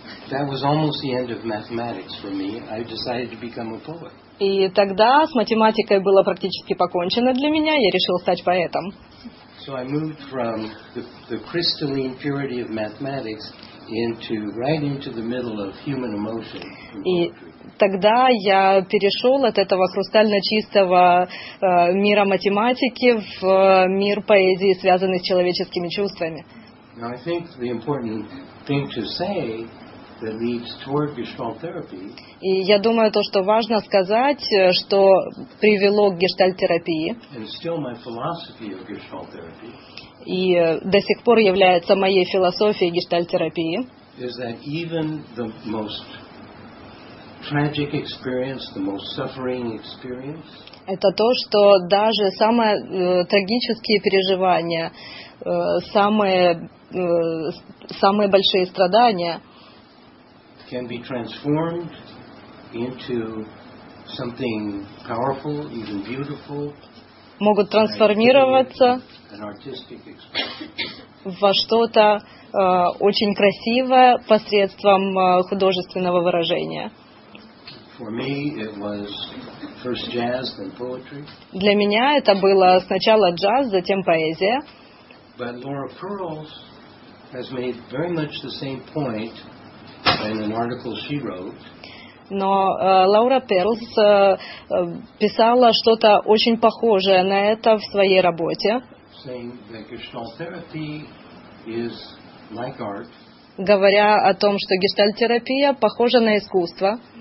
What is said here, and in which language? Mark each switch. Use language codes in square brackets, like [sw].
[en] That was almost the end of mathematics for me. I decided to become a poet. [ru] И тогда с математикой было практически покончено для меня, я решил стать поэтом. [en] So I moved from the crystalline purity of mathematics into right into the middle of human emotion. [ru] Тогда я перешел от этого хрустально чистого мира математики в мир поэзии, связанный с человеческими чувствами. [en] Now, I think the important thing to say that leads toward gestalt therapy. [ru] И я думаю, то, что важно сказать, что привело к гештальт-терапии. [en] And still my philosophy of gestalt therapy. [ru] И до сих пор является моей философией гештальт-терапии. [en] Is that even the most tragic experience, the most suffering experience. [ru] Это то, что даже самые трагические переживания, самые большие страдания [en] can be transformed into something powerful, even beautiful. [ru] Могут трансформироваться [en] an artistic experience. [ru] Во что-то очень красивое посредством художественного выражения. [en] For me, it was first jazz, then poetry. [ru] Для меня это было сначала джаз, затем поэзия. [en] But Laura Pearls has made very much the same point in an article she wrote. [ru] Но Лаура Перлс писала что-то очень похожее на это в своей работе. [en] Saying that gestalt therapy is like art. [ru] Говоря о том, что гештальт-терапия похожа на искусство.